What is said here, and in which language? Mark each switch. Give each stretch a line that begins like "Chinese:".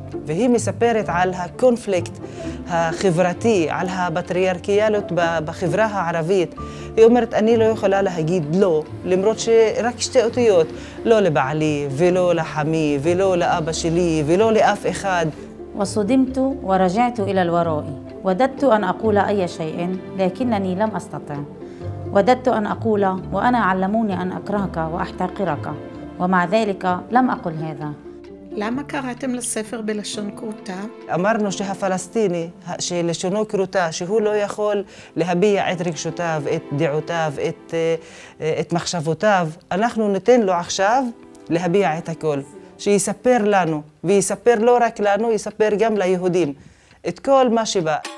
Hebrew: והיא מספרת על הקונפליקט החברתי, על הפטריארכיאליות בחברה הערבית. היא אומרת, אני לא יכולה להגיד לא, למרות שרק שתי אותיות, לא לבעלי ולא לחמי ולא לאבא שלי ולא לאף אחד.
Arabic: وصدمت ورجعت الى الوراء وددت ان اقول اي شيء لكنني لم استطع وددت ان اقول وانا علموني ان اكرهك واحتقرك ومع ذلك لم اقل هذا.
Hebrew: למה קראתם לספר בלשון כרותה? אמרנו שהפלסטיני, שלשונו כרותה, שהוא לא יכול להביע את רגשותיו, את דעותיו, את מחשבותיו, אנחנו ניתן לו עכשיו להביע את הכל. שיספר לנו, ויספר לא רק לנו, יספר גם ליהודים, את כל מה שבא.